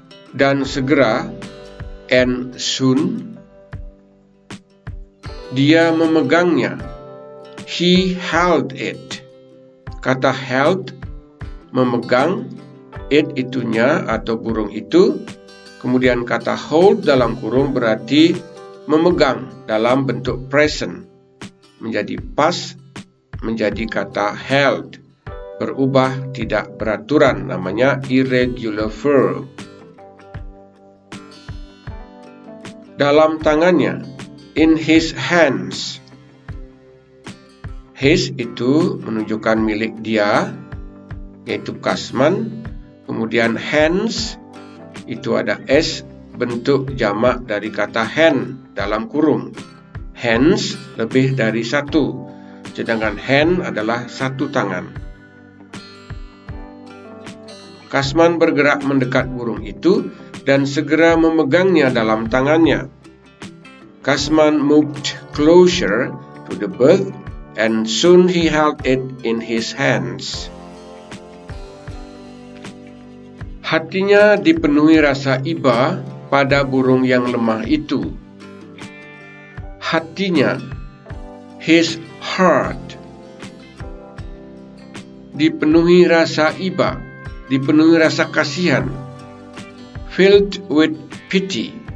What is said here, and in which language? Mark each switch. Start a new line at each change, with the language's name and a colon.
Indonesian: Dan segera,
English: and soon,
Indonesian: dia memegangnya,
English: he held it.
Indonesian: Kata held, memegang, it itunya atau burung itu. Kemudian kata hold dalam kurung berarti memegang dalam bentuk present. Menjadi past, menjadi kata held. Berubah tidak beraturan, namanya irregular verb. Dalam tangannya,
English: in his hands.
Indonesian: His itu menunjukkan milik dia, yaitu Kasman. Kemudian hands, itu ada S, bentuk jamak dari kata hand dalam kurung. Hands lebih dari satu, sedangkan hand adalah satu tangan. Kasman bergerak mendekat burung itu dan segera memegangnya dalam tangannya.
English: Kasman moved closer to the bird and soon he held it in his hands.
Indonesian: Hatinya dipenuhi rasa iba pada burung yang lemah itu. Hatinya,
English: his heart,
Indonesian: dipenuhi rasa iba, dipenuhi rasa kasihan,
English: filled with pity.